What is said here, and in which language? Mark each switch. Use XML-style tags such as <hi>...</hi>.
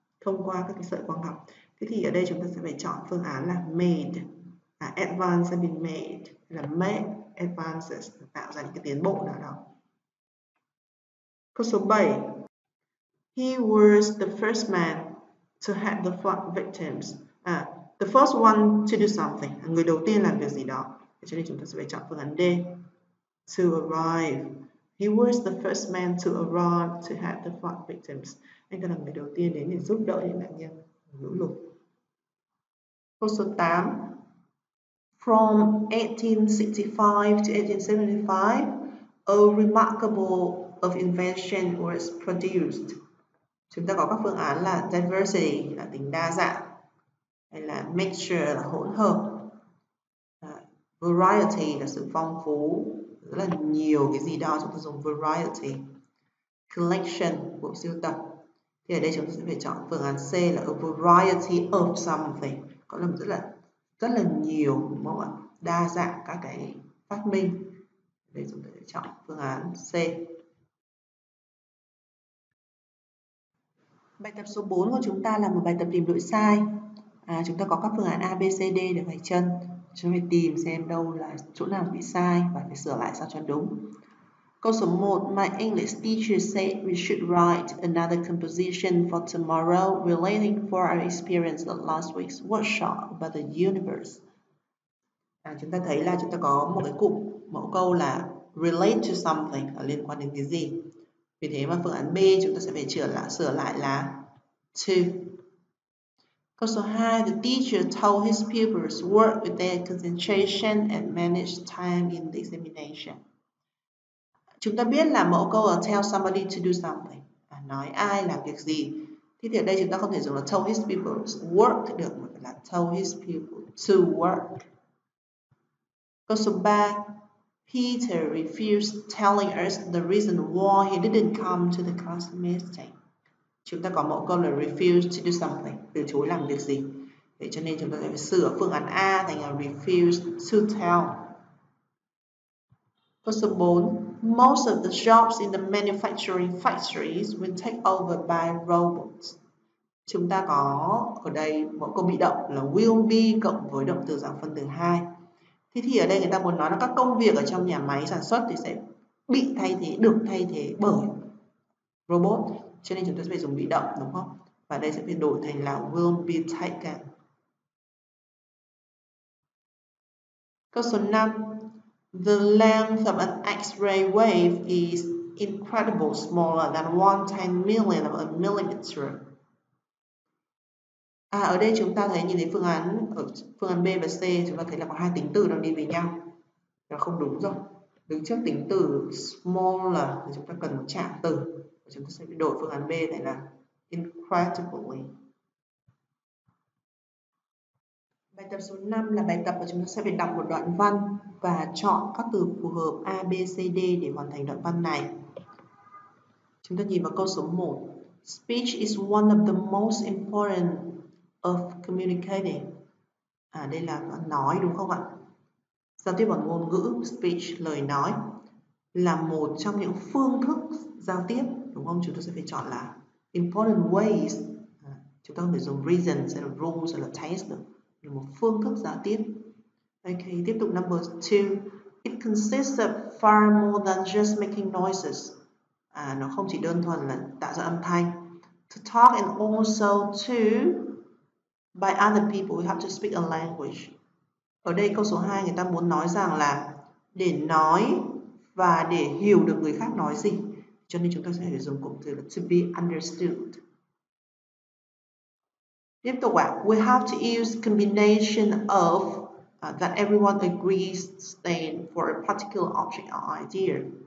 <vi>Thông qua các cái sợi quang học. Thế thì ở đây chúng ta sẽ phải chọn phương án là made.</vi> <en>Advance have been made,</en> <vi>là</vi> <en>make advances,</en> <vi>tạo ra những cái tiến bộ nào đó. Câu số 7.</vi> <en>He was the first man to help the flood victims. The first one to do something.</en> <vi>Người đầu tiên làm việc gì đó. Cho nên chúng ta sẽ phải chọn phương án D.</vi> <en>To arrive. He was the first man to arrive to help the flood victims.</en> <vi>Anh ta là người đầu tiên đến để giúp đỡ những nạn nhân lũ lụt. Câu số 8.</vi> <en>From 1865 to 1875, a remarkable of invention was produced.</en> <vi>Chúng ta có các phương án là diversity, là tính đa dạng, hay là mixture, là hỗn hợp, variety, là sự phong phú, rất là nhiều cái gì đó, chúng ta dùng variety, collection, bộ sưu tập. Thì ở đây chúng ta sẽ phải chọn phương án C là</vi> <en>a variety of something,</en> <vi>có là rất là nhiều, đúng không ạ? Đa dạng các cái phát minh. Để chúng ta chọn phương án C. Bài tập số 4 của chúng ta là một bài tập tìm lỗi sai. Chúng ta có các phương án A, B, C, D để vạch chân. Chúng ta tìm xem đâu là chỗ nào bị sai và phải sửa lại sao cho đúng. Câu số 1.</vi> <en>My English teacher said we should write another composition for tomorrow relating for our experience of last week's workshop about the universe.</en> <vi>Chúng ta thấy là chúng ta có một cái cụm mẫu câu là</vi> <en>relate to something,</en> <vi>là liên quan đến cái gì. Vì thế mà phương án B chúng ta sẽ phải sửa lại là to. Câu số 2.</vi> <en>The teacher told his pupils work with their concentration and manage time in the examination.</en> <vi>Chúng ta biết là mẫu câu là</vi> <en>tell somebody to do something,</en> <vi>nói ai làm việc gì. Thì ở đây chúng ta không thể dùng là</vi> <en>tell his people work</en> <vi>được, mà là</vi> <en>tell his people to work.</en> <vi>Câu số 3.</vi> <en>Peter refused telling us the reason why he didn't come to the class meeting.</en> <vi>Chúng ta có mẫu câu là</vi> <en>refuse to do something,</en> <vi>từ chối làm việc gì. Vậy cho nên chúng ta sẽ sửa phương án A thành là</vi> <en>refuse to tell.</en> <vi>Câu số 4.</vi> <en>Most of the jobs in the manufacturing factories will take over by robots.</en> <vi>Chúng ta có ở đây mẫu câu bị động là will be cộng với động từ dạng phân từ 2. Thế thì ở đây người ta muốn nói là các công việc ở trong nhà máy sản xuất thì sẽ bị thay thế, được thay thế bởi robot. Cho nên chúng ta sẽ phải dùng bị động, đúng không? Và đây sẽ phải đổi thành là</vi> <en>will be taken.</en> <vi>Câu số 5.</vi> <en>The length of an X-ray wave is incredibly smaller than 1/10,000,000 of a millimeter.</en> <vi>À, ở đây chúng ta thấy nhìn thấy phương án B và C, chúng ta thấy là có hai tính từ đang đi với nhau. Đó không đúng rồi. Đứng trước tính từ smaller thì chúng ta cần một trạng từ. Chúng ta sẽ đổi phương án B này là incredibly. Bài tập số 5 là bài tập mà chúng ta sẽ phải đọc một đoạn văn và chọn các từ phù hợp A, B, C, D để hoàn thành đoạn văn này. Chúng ta nhìn vào câu số 1.</vi> <en>Speech is one of the most important of communicating.</en> <vi>À, đây là nói đúng không ạ? Giao tiếp bằng ngôn ngữ, speech, lời nói là một trong những phương thức giao tiếp, đúng không? Chúng ta sẽ phải chọn là</vi> <en>important ways.</en> <vi>À, chúng ta có thể dùng reason, sẽ là rules, sẽ là test được. Là một phương thức giao tiếp. Ok, tiếp tục</vi> <en>number 2. It consists of far more than just making noises.</en> <vi>À, nó không chỉ đơn thuần là tạo ra âm thanh.</vi> <en>To talk and also to by other people, you have to speak a language.</en> <vi>Ở đây câu số 2 người ta muốn nói rằng là để nói và để hiểu được người khác nói gì. Cho nên chúng ta sẽ dùng cụm từ là</vi> <en>to be understood.</en> <vi>Tiếp tục ạ,</vi> <en>we have to use combination of that everyone agrees stand for a particular object or idea.</en>